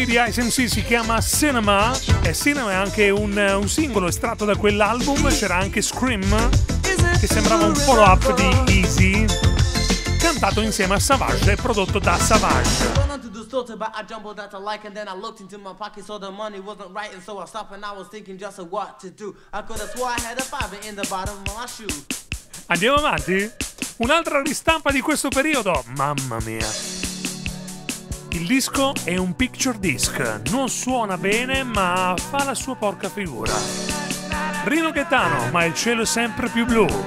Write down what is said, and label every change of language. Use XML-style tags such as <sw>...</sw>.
<it>SMC si chiama Cinema, e Cinema è anche un singolo estratto da quell'album. C'era anche Scream, che sembrava un follow up di Easy, cantato insieme a Savage e prodotto da Savage.</it> <en>But I jumbled out the like and then I looked into my pocket, so the money wasn't right, and so I stopped and I was thinking just of what to do. I could have swore I had a fiver in the bottom of my shoe.</en> <it>Andiamo avanti? Un'altra ristampa di questo periodo, mamma mia. Il disco è un picture disc, non suona bene ma fa la sua porca figura. Rino Gaetano, ma il cielo è sempre più blu.</it>